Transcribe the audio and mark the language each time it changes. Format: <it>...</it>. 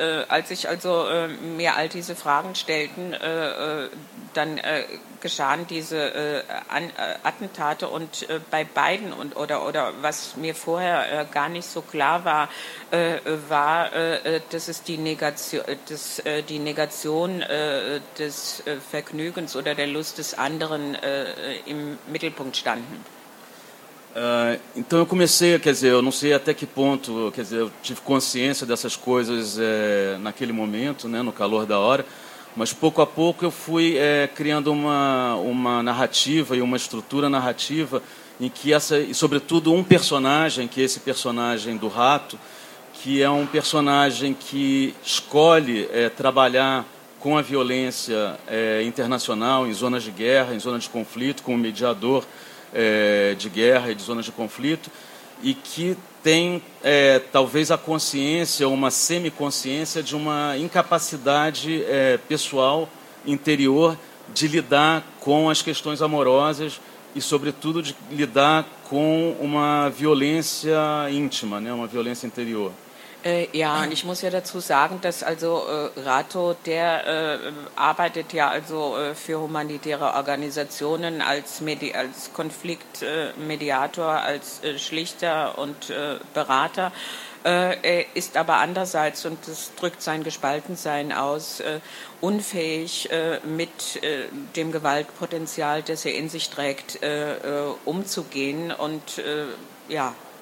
<de>Als ich also mir all diese Fragen stellten, dann geschahen diese Attentate und bei beiden und oder was mir vorher gar nicht so klar war, war, dass es die Negation, dass die Negation des Vergnügens oder der Lust des anderen im Mittelpunkt standen.</de> <pt>Então eu comecei, quer dizer, eu não sei até que ponto, quer dizer, eu tive consciência dessas coisas naquele momento, né, no calor da hora, mas pouco a pouco eu fui criando uma narrativa e uma estrutura narrativa em que essa, e sobretudo um personagem, que é esse personagem do rato, que é um personagem que escolhe trabalhar com a violência internacional, em zonas de guerra, em zonas de conflito, como mediador de guerra e de zonas de conflito, e que tem talvez a consciência, uma semiconsciência de uma incapacidade pessoal, interior, de lidar com as questões amorosas e, sobretudo, de lidar com uma violência íntima, né, uma violência interior.</pt> <de>Ja, und ich muss ja dazu sagen, dass also Rato, der arbeitet ja also für humanitäre Organisationen als Konfliktmediator, als Schlichter und Berater. Er ist aber andererseits, und das drückt sein Gespaltensein aus, unfähig mit dem Gewaltpotenzial, das er in sich trägt, umzugehen und ja.</de>